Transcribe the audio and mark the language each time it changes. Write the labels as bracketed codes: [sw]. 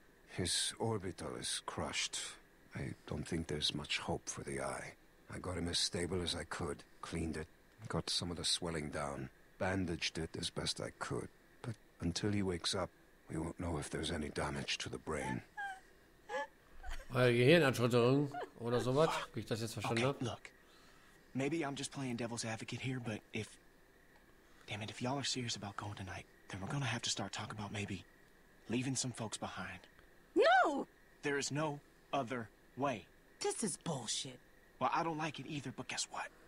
[en] His orbital is crushed. I don't think there's much hope for the eye. I got him as stable as I could, cleaned it, got some of the swelling down, bandaged it as best I could. But until he wakes up, we won't know if there's any damage to the brain. [de] Eine Gehirnerschütterung oder sowas, wie ich das jetzt verstanden habe. [en] Okay, look. Maybe I'm just playing devil's advocate here, but if... Damn it, if y'all are serious about going tonight, then we're gonna have to start talking about maybe leaving some folks behind. No! There is no other way. This is bullshit. Well, I don't like it either, but guess what?